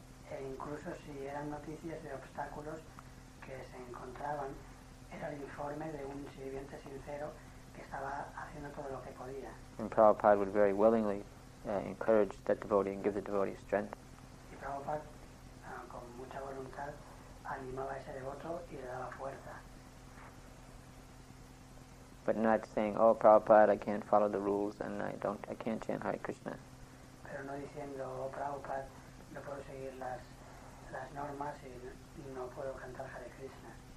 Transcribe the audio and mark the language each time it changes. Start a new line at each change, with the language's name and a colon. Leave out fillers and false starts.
Spanish: E incluso si eran noticias de obstáculos que se encontraban, era el informe de un sirviente sincero que estaba haciendo todo lo que podía.
English: And Prabhupada would very willingly encourage that devotee and give the devotee strength.
Spanish: Y Prabhupada, con mucha voluntad, animaba a ese devoto y le daba fuerza.
English: But not saying, "Oh, Prabhupada, I can't follow the rules, and I can't chant Hare Krishna."
Spanish: Pero no diciendo, "Oh, Prabhupada, no puedo seguir las normas y no puedo cantar Hare Krishna."